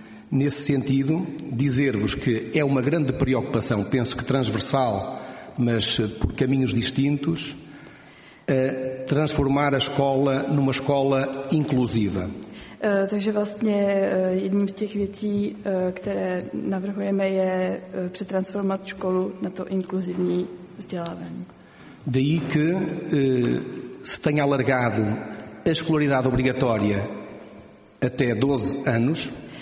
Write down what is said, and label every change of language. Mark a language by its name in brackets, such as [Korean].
[Portuguese] Nesse sentido, dizer-vos que é uma grande preocupação, penso que transversal, mas por caminhos distintos, a transformar a escola numa escola inclusiva. [Czech] Takže vlastně jedním z těch věcí, které navrhujeme, je přetransformovat školu na to inkluzivní vzdělávání. [Portuguese] Daí que se tenha alargado a escolaridade obrigatória até 12 anos.